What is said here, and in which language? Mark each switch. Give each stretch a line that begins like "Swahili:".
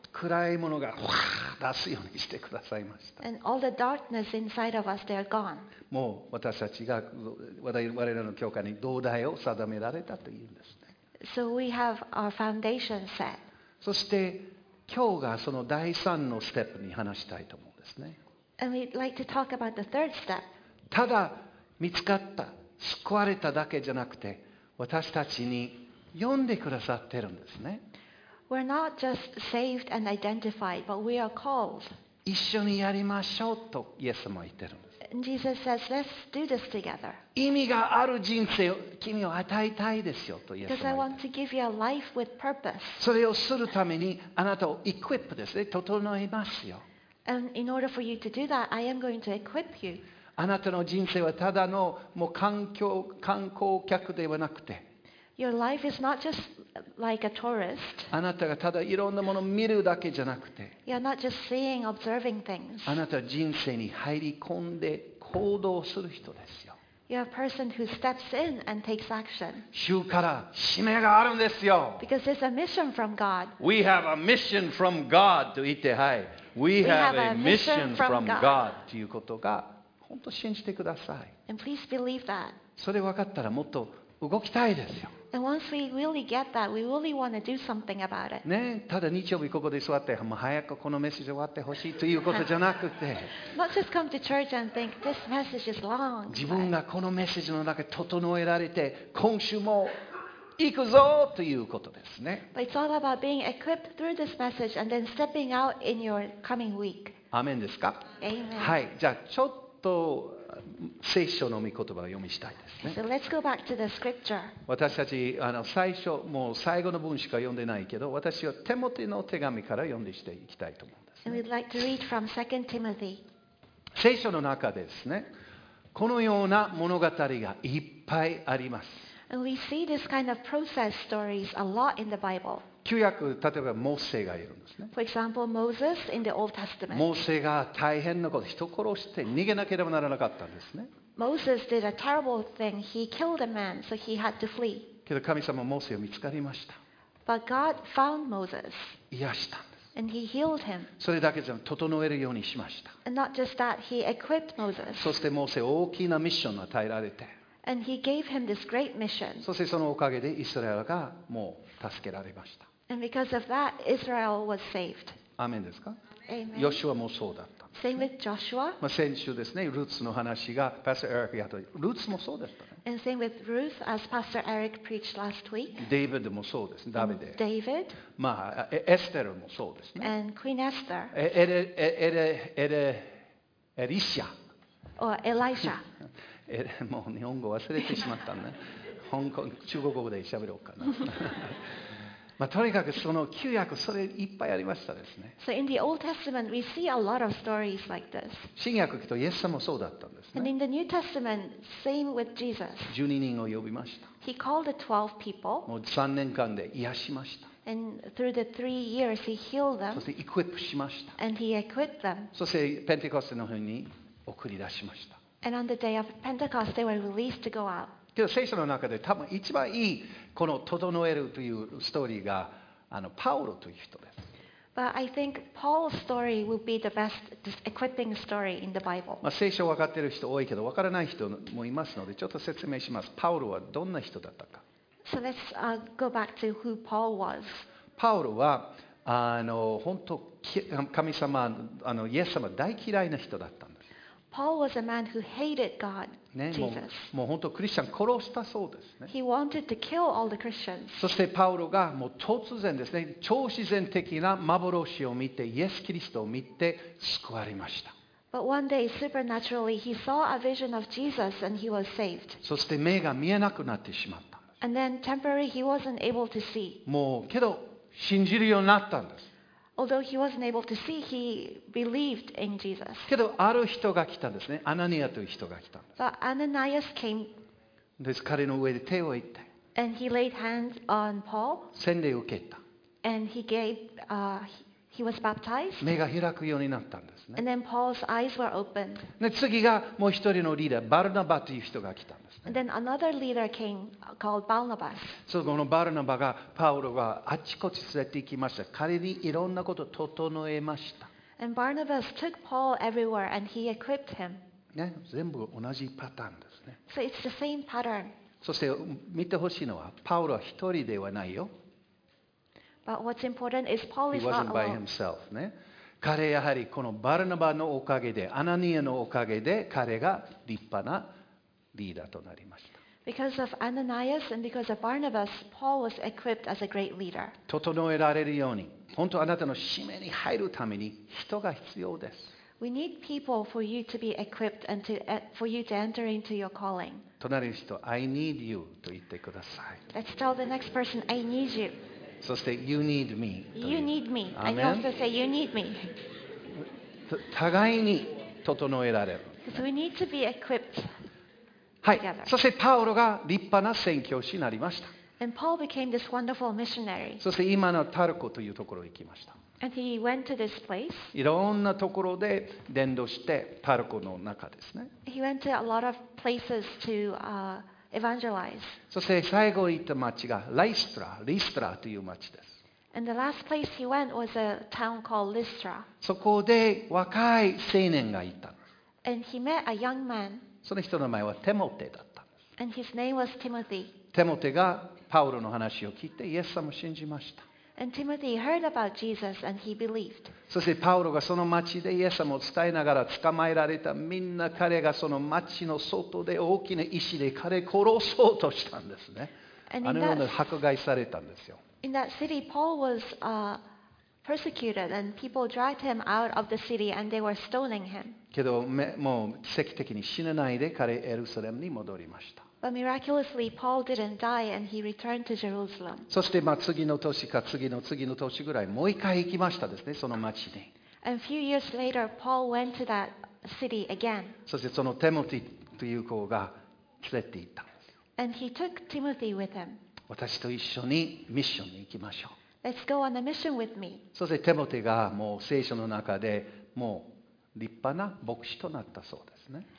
Japanese: 暗いものがふわー出すようにしてくださいました。
English: And all the darkness inside of us, they are gone.
Japanese: もう私たちが我々の教会に土台を定められたというんですね。
English: So we have our foundation set.
Japanese: そして今日がその第三のステップに話したいと思うんですね。
English: And we'd like to talk about the third step.
Japanese: ただ見つかった。救われただけじゃなくて、私たちに読んでくださってるんですね。
English: We're not just saved and identified, but we are called.
Japanese: 一緒にやりましょうとイエス様は言ってるんです。
English: Jesus says, "Let's do this together."
Japanese: 意味がある人生を君を与えたいですよとイエス様は。
English: Because I want to give you a life with purpose.
Japanese: それをするためにあなたをエクイップですね、整えますよ。
English: And in order for you to do that, I am going to equip you.
Japanese: あなたの人生はただのもう観光客ではなくて、
English: Your life is not just like a tourist.
Japanese: あなたがただいろんなものを見るだけじゃなくて、
English: You're not just seeing, observing things.
Japanese: あなたは人生に入り込んで行動する人ですよ。
English: You're a person who steps in and takes action.
Japanese: 主から使命があるんですよ。
English: Because there's a mission from God. We have a mission from God
Japanese: と言ってはい。
English: We have a mission from God
Japanese: ということが。本当信じてください。
English: And please believe that.
Japanese: それ分かったらもっと動きたいですよ。
English: And once we really get that, we really want to do something about it.
Japanese: ね、ただ日曜日ここで座って、もう早くこのメッセージ終わってほしいということじゃなくて、
English: not just come to church and think this message is long.
Japanese: 自分がこのメッセージの中で整えられて、今週も行くぞということですね。
English: But it's all about being equipped through this message and then stepping out in your coming week.
Japanese: アメンですか？
English: Amen.
Japanese: はい、じゃあちょっとと聖書の御言葉を読みしたいですね。
English: So let's go back to the scripture.
Japanese: 私たち最初もう最後の文しか読んでないけど、私はテモテの手紙から読んでしていきたいと思うんですね。
English: And we'd like to read from 2 Timothy.
Japanese: 聖書の中ですね、このような物語がいっぱいあります。
English: And we see this kind of process stories a lot in the Bible.
Japanese: 旧約、例えばモーセがいるんですね。
English: For example, Moses in the Old Testament.
Japanese: モーセが大変なこと、人殺して逃げなければならなかったんですね。
English: Moses did a terrible thing. He killed a man, so he had to flee.
Japanese: けど神様はモーセを見つかりました。
English: But God found Moses.
Japanese: 癒したんです。
English: And he healed him.
Japanese: それだけじゃ整えるようにしました。
English: And not just that, he equipped Moses.
Japanese: そしてモーセ大きなミッションを与えられて。
English: And he gave him this great mission.
Japanese: そしてそのおかげでイスラエルがもう助けられました。
English: And because of that, Israel was saved.
Japanese: アメンですか？
English: Amen.
Japanese: ヨシュアもそうだった。
English: Same with Joshua.
Japanese: まあ先週ですね、ルーツの話が、Pastor Eric やった。ルーツもそうだった、ね。
English: And same with Ruth, as Pastor Eric preached last week.
Japanese: デイビッドもそうですね、ダビデ。
English: David.
Japanese: まあエステルもそうですね。
English: And Queen Esther.
Japanese: エリシア。
English: Or Elisha.
Japanese: もう日本語忘れてしまったね。香港、中国語で喋ろうかな。まあ、とにかくその旧約それいっぱいありましたですね。
English: So in the Old Testament we see a lot of stories like this.
Japanese: 新約とイエス様もそうだったんですね。
English: And in the New Testament same with Jesus.
Japanese: 12人を呼びました。
English: He called the 12 people.
Japanese: もう3年間で癒しました。
English: And through the 3 years, he healed them.
Japanese: そしてイクイップしました。
English: And he equipped them.
Japanese: そしてペンテコステの日に送り出しました。
English: And on the day of Pentecost, they were released to go out.
Japanese: けど聖書の中で多分一番いいこの整えるというストーリーがパウロという人です。
English: But I think Paul's story will be the best equipping story in the Bible.
Japanese: まあ聖書を分かっている人多いけど分からない人もいますのでちょっと説明します。パウロはどんな人だったか。
English: So let's go back to who Paul was.
Japanese: パウロは本当神様イエス様大嫌いな人だったんです。
English: Paul was a man who hated God, Jesus.
Japanese: もう本当クリスチャン殺したそうですね。
English: He wanted to kill all the Christians.
Japanese: そしてパウロがもう突然ですね、超自然的な幻を見てイエスキリストを見て救われました。
English: But one day, supernaturally, he saw a vision of Jesus and he was saved.
Japanese: そして目が見えなくなってしまった。
English: And then temporarily he wasn't able to see.
Japanese: もうけど信じるようになったんです。
English: Although he wasn't able to see, he believed in Jesus.
Japanese: けどある人が来たんですね。アナニアという人が来たんです。
English: But Ananias came.
Japanese: です。彼の上で手を置いて。
English: And he laid hands on Paul.
Japanese: 洗礼を受けた。
English: And he gave, he was baptized.
Japanese: 目が開くようになったんですね。
English: And then Paul's eyes were opened.
Japanese: で次がもう一人のリーダー、バルナバという人が来たんです。
English: And then another leader came called Barnabas.
Japanese: そのこのバルナバがパウロがあちこち連れて行きました。彼にいろんなことを整えました。
English: And Barnabas took Paul everywhere and he equipped him.
Japanese: ね、全部同じパターンですね。
English: So it's the same pattern.
Japanese: そして見てほしいのはパウロは一人ではないよ。
English: But what's important is Paul is not alone. He wasn't by himself.
Japanese: ね、彼やはりこのバルナバのおかげで、アナニアのおかげで彼が立派なリーダーとなりました。
English: Because of Ananias and because of Barnabas, Paul was equipped as a great leader.
Japanese: 整えられるように、本当あなたの使命に入るために人が必要です。
English: We need people for you to be equipped and to, for you to enter into your calling.
Japanese: 隣の人、
English: I need you
Japanese: と言ってください。
English: Let's tell the next person, I need you.
Japanese: そして、
English: You need me. You need me. And you also say, You need me.
Japanese: 互いに整えられる。
English: Because we need to be equipped.
Japanese: はい、そしてパウロが立派な宣教師になりました。
English: And Paul became this wonderful missionary.
Japanese: そして今のタルコというところに行きました。
English: And he went to this place.
Japanese: いろんなところで伝道してタルコの中ですね。
English: He went to a lot of places to, evangelize.
Japanese: そして最後に行った町がリストラという町です。
English: And the last place he went was a town called Lystra.
Japanese: そこで若い青年がいた。
English: And he met a young man.
Japanese: その人の名前はテモテだった。
English: And his name was Timothy.
Japanese: テモテがパウロの話を聞いてイエス様を信じました。
English: And Timothy heard about Jesus and he believed.
Japanese: そしてパウロがその町でイエス様を伝えながら捕まえられた。みんな彼がその町の外で大きな石で彼を殺そうとしたんですね。あのように迫害されたんですよ。
English: In that city, Paul was, persecuted and people dragged him out of the city and they were stoning him.
Japanese: けどもう奇跡的に死なないで彼エルサレムに戻りました。
English: But miraculously, Paul didn't die and he returned to Jerusalem.
Japanese: そしてまあ次の年か次の年ぐらいもう一回行きましたですね、その町に。
English: And a few years later, Paul went to that city again.
Japanese: そしてそのテモティという子が連れて行った。
English: And he took Timothy with him.
Japanese: 私と一緒にミッションに行きましょう。
English: Let's go on a mission with me.
Japanese: そしてテモティがもう聖書の中でもう立派な牧師となったそうですね。